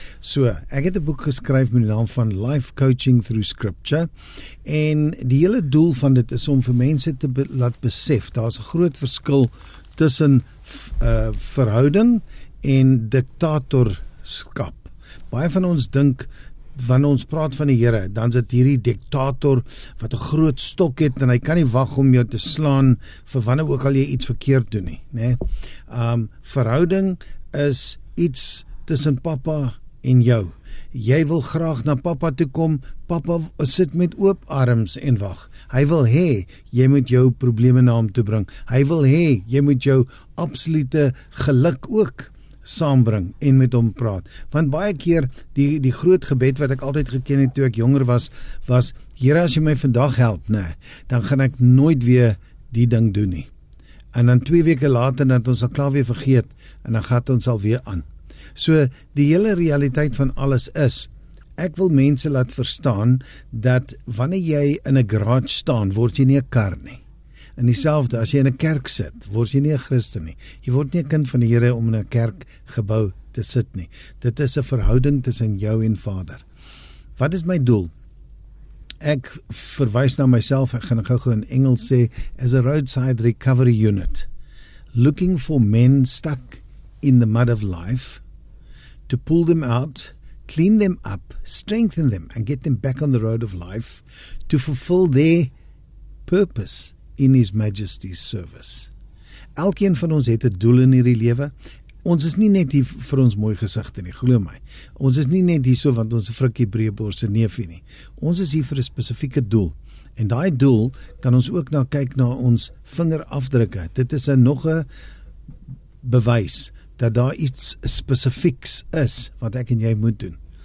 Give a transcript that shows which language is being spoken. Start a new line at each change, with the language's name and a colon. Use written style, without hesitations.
Afrikaans: So, ek het 'n boek geskryf met die naam van Life Coaching Through Scripture en die hele doel van dit is om vir mense te laat besef, daar is 'n groot verskil tussen verhouding en diktatorskap. Baie van ons dink, wanneer ons praat van die Here, dan sit hierdie diktator wat 'n groot stok het en hy kan nie wag om jou te slaan vir wanneer ook al jy iets verkeerd doen nie. Nee? Verhouding is iets tussen papa en jou. Jy wil graag na papa toe kom, papa sit met oop arms en wag. Hy wil hê, jy moet jou probleme na hom toe bring. Hy wil hê, jy moet jou absolute geluk ook saambring en met hom praat. Want baie keer, die groot gebed wat ek altyd geken het toe ek jonger was, was, Here, as jy my vandag help, nee, dan gaan ek nooit weer die ding doen nie. En dan 2 weke later, dat ons al klaar weer vergeet, en dan gaat ons al weer aan. So, die hele realiteit van alles is, ek wil mense laat verstaan, dat wanneer jy in 'n garage staan, word jy nie 'n kar nie. En dieselfde, as jy in 'n kerk sit, word jy nie 'n Christen nie. Jy word nie 'n kind van die Here om in 'n kerkgebou te sit nie. Dit is 'n verhouding tussen jou en Vader. Wat is my doel? Ek verwys na myself, ek gaan gou in Engels sê,
English: as a roadside recovery unit, looking for men stuck in the mud of life, to pull them out, clean them up, strengthen them, and get them back on the road of life to fulfill their purpose in His Majesty's service.
Afrikaans: Elkeen van ons het 'n doel in hierdie lewe. Ons is nie net hier vir ons mooi gesigte nie, glo my. Ons is nie net hierso want ons 'n frikkie breëborse neefie nie. Ons is hier vir 'n spesifieke doel. En daai doel kan ons ook na kyk na ons vingerafdrukke. Dit is 'n nog 'n bewys dat daar iets spesifieks is wat ek en jy moet doen.